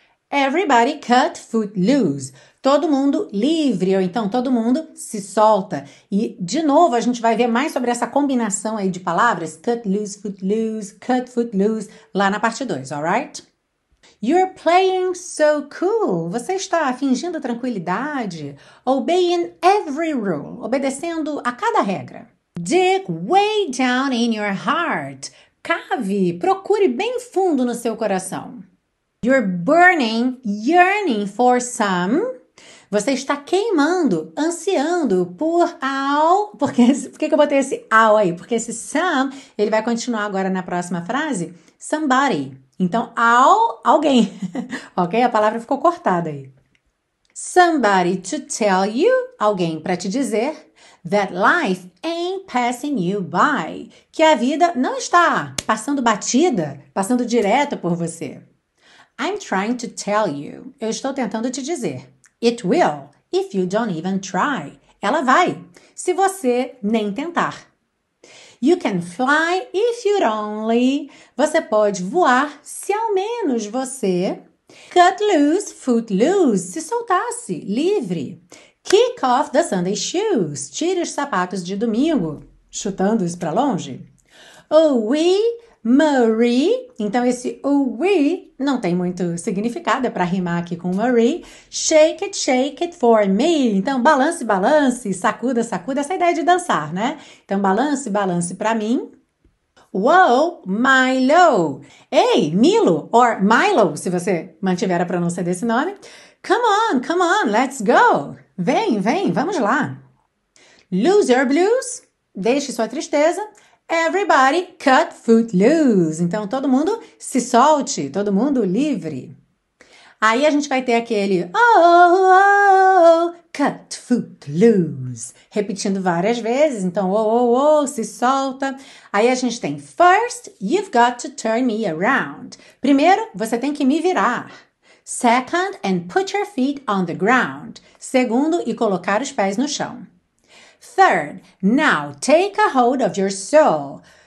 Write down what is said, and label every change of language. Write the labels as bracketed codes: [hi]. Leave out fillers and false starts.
[en] Everybody cut footloose. [pt] Todo mundo livre, ou então todo mundo se solta. E de novo a gente vai ver mais sobre essa combinação aí de palavras: cut footloose, lá na parte 2, alright? [en] You're playing so cool. [pt] Você está fingindo tranquilidade. [en] Obeying every rule. [pt] Obedecendo a cada regra. [en] Dig way down in your heart. [pt] Cave, procure bem fundo no seu coração. [en] You're burning, yearning for some. [pt] Você está queimando, ansiando por all. Por que eu botei esse all aí? Porque esse some, ele vai continuar agora na próxima frase. Somebody. Então, all, alguém. Ok? A palavra ficou cortada aí. [en] Somebody to tell you. [pt] Alguém para te dizer. [en] That life ain't passing you by. [pt] Que a vida não está passando batida, passando direto por você. [en] I'm trying to tell you. [pt] Eu estou tentando te dizer. [en] It will, if you don't even try. [pt] Ela vai, se você nem tentar. [en] You can fly if you'd only. [pt] Você pode voar se ao menos você. [en] Cut loose, foot loose. [pt] Se soltasse, livre. [en] Kick off the Sunday shoes. [pt] Tire os sapatos de domingo. Chutando-os para longe. Oh, we. Marie, então esse we não tem muito significado, é para rimar aqui com Marie. [en] Shake it for me. [pt] Então balance, balance, sacuda, sacuda, essa ideia de dançar, né? Então balance, balance para mim. Whoa, Milo. Ei, Milo, or Milo, se você mantiver a pronúncia desse nome. [en] Come on, let's go. [pt] Vem, vem, vamos lá. [en] Lose your blues, [pt] deixe sua tristeza. [en] Everybody cut footloose. [pt] Então todo mundo se solte, todo mundo livre. Aí a gente vai ter aquele oh, cut footloose, repetindo várias vezes. Então oh, se solta. Aí a gente tem [en] first, you've got to turn me around. [pt] Primeiro, você tem que me virar. [en] Second, and put your feet on the ground. [pt] Segundo, e colocar os pés no chão. [en] Third, now take a hold of your soul.